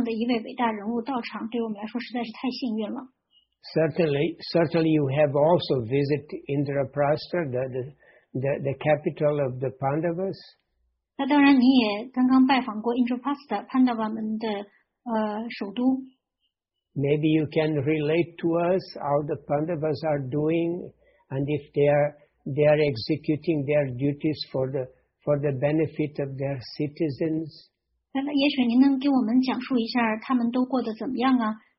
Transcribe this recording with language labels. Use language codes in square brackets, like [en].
[zh] 那我们有像您这样的一位伟大人物到场, 对我们来说实在是太幸运了。 [en] Certainly you have also visited Indraprastha, the capital of the Pandavas. [zh] 那当然你也刚刚拜访过 Indraprastha, 潘达瓦们的, 首都。 [en] Maybe you can relate to us how the Pandavas are doing and if they are executing their duties for the benefit of their citizens. [zh] 也许您能给我们讲述一下他们都过得怎么样啊?